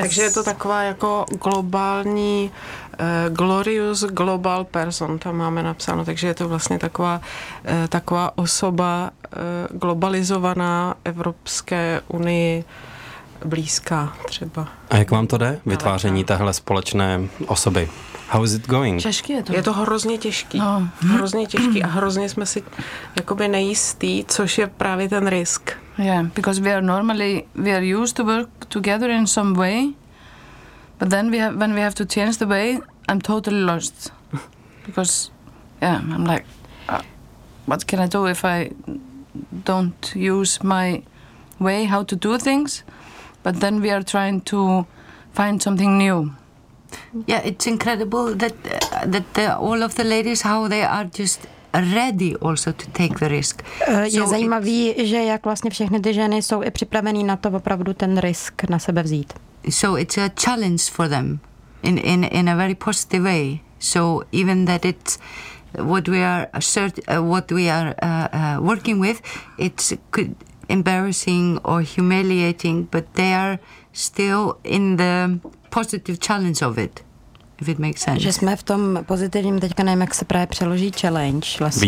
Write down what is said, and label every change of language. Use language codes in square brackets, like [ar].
[cs] Takže je to taková jako globální [en] glorious global person, [cs] tam máme napsáno, takže je to vlastně taková osoba globalizovaná Evropské unii blízká třeba. A jak vám to jde, vytváření téhle společné osoby? [en] How is it going? [cs] Těžký je to. Je to hrozně těžký. No. Hrozně těžký a hrozně jsme si jakoby nejistý, což je právě ten risk. [en] Yeah, because we are used to work together in some way, but then when we have to change the way, I'm totally lost. Because, yeah, I'm like, what can I do if I don't use my way how to do things? But then we are trying to find something new. Yeah, it's incredible that all of the ladies, how they are just ready also to take the risk. [cs] Je zajímavý, že jak vlastně všechny ty ženy jsou i připravený na to opravdu ten risk na sebe vzít. [en] So it's a challenge for them in a very positive way. So even that it's what we are working with, it's embarrassing or humiliating, but they are still in the positive challenge of it. If it makes sense. [cs] Že jsme v tom pozitivním, teďka nevím, jak se právě přeloží challenge, vlastně